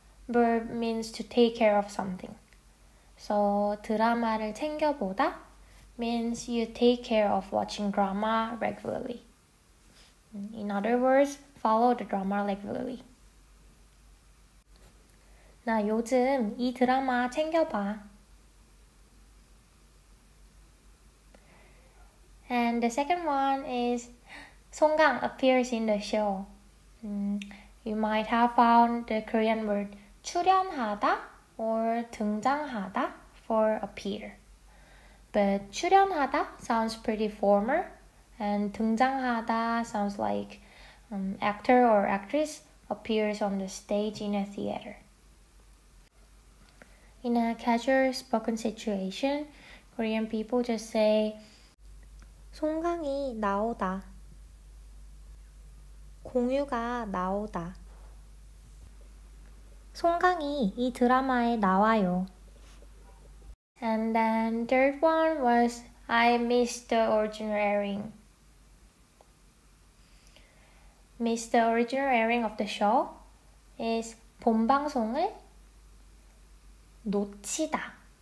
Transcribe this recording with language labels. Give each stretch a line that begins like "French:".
English: verb means to take care of something. So
Korean: 드라마를 챙겨보다
English: means you take care of watching drama regularly. In other words, follow the drama regularly.
Korean: 나 요즘 이 드라마 챙겨봐.
English: And the second one is 송강 appears in the show. You might have found the Korean word 출연하다 or 등장하다 for appear. But 출연하다 sounds pretty formal and 등장하다 sounds like actor or actress appears on the stage in a theater. In a casual spoken situation, Korean people just say
Korean: 송강이 나오다 공유가 나오다 송강이 이 드라마에 나와요.
English: And then third one was I miss the original airing. Miss the original airing of the show is
Korean: 본 방송을 놓치다.